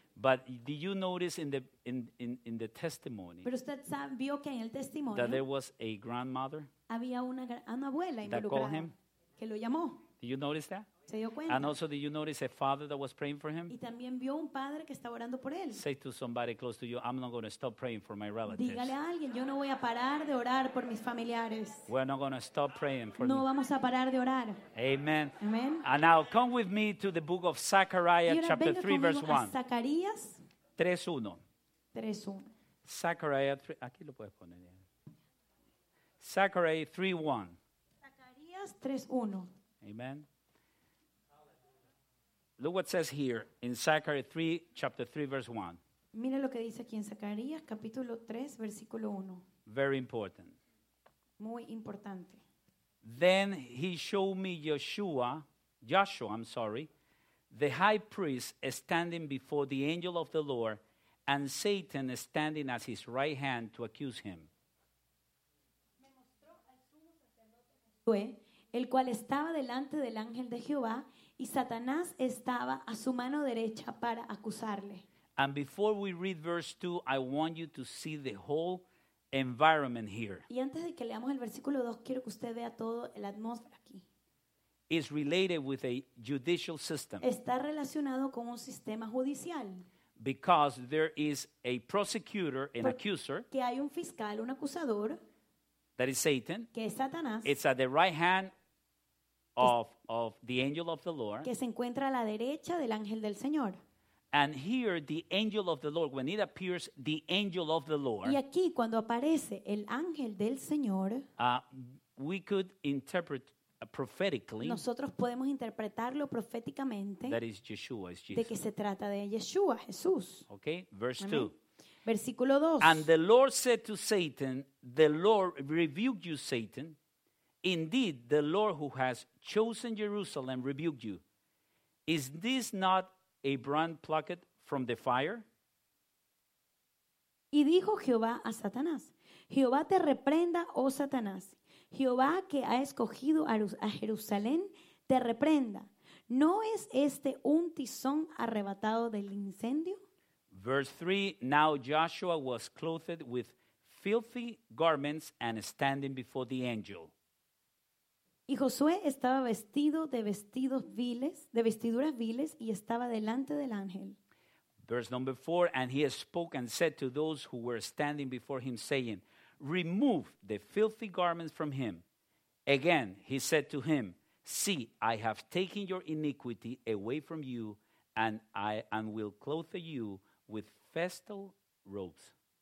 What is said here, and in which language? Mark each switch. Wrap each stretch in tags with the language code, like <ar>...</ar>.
<en>But did you notice in the testimony that there was a grandmother</en> <es>había una abuela</es> <en>that called him?</en> <es>Que lo llamó.</es> <en>Did you notice that?</en> <es>Se dio cuenta.</es> <en>And also, did you notice a father that was praying for him?</en> <es>Y también vio un padre que estaba orando por él.</es> <en>Say to somebody close to you, I'm not going to stop praying for my relatives.</en> <es>Dígale a alguien, yo no voy a parar de orar por mis familiares.</es> <en>We're not going to stop praying for them.</en> <es>No vamos a parar de orar. Amen. Amen.</es> <en>And now come with me to the book of Zechariah, chapter 3, verse 1.</en> <es>Zacarías 3:1. 3:1. Zechariah 3, aquí lo puedes poner. Zechariah 3:1. Zacarías 3:1. Amen.</es> <en>Look what says here in Zechariah 3, chapter 3, verse 1.</en> <es>Mira lo que dice aquí en Zacarías, capítulo 3, versículo 1.</es> <en>Very important.</en> <es>Muy importante.</es> <en>Then he showed me Joshua, the high priest standing before the angel of the Lord, and Satan standing at his right hand to accuse him.</en> <es>Me mostró al sumo sacerdote, el cual estaba delante del ángel de Jehová, y Satanás estaba a su mano derecha para acusarle.</es> <en>And before we read verse 2, I want you to see the whole environment here.</en> <es>Y antes de que leamos el versículo 2, quiero que usted vea todo la atmósfera aquí.</es> <en>It's related with a judicial system.</en> <es>Está relacionado con un sistema judicial.</es> <en>Because there is a prosecutor, an accuser.</en> <es>Que hay un fiscal, un acusador.</es> <en>That is Satan.</en> <es>Que es Satanás.</es> <en>It's at the right hand of the angel of the Lord,</en> <es>que se encuentra a la derecha del ángel del Señor.</es> <en>And here the angel of the Lord, when it appears the angel of the Lord,</en> <es>y aquí cuando aparece el ángel del Señor,</es> <en>we could interpret prophetically,</en> <es>nosotros podemos interpretarlo proféticamente,</es> <en>that is Yeshua, is Jesus,</en> <es>de que se trata de Yeshua, Jesús.</es> <en>Okay, verse 2.</en> <es>Versículo 2.</es> <en>And the Lord said to Satan, the Lord rebuked you, Satan. Indeed, the Lord who has chosen Jerusalem rebuked you. Is this not a brand plucked from the fire?</en> <es>Y dijo Jehová a Satanás, Jehová te reprenda, oh Satanás. Jehová que ha escogido a Jerusalén, te reprenda. ¿No es este un tizón arrebatado del incendio?</es> <en>Verse 3, now Joshua was clothed with filthy garments and standing before the angel.</en> <es>Y Josué estaba vestido de vestidos viles, de vestiduras viles, y estaba delante del ángel.</es> <en>Verse number 4, and he spoke and said to those who were standing before him, saying, remove the filthy garments from him. Again, he said to him, see, I have taken your iniquity away from you, and I will clothe you with festal robes.</en>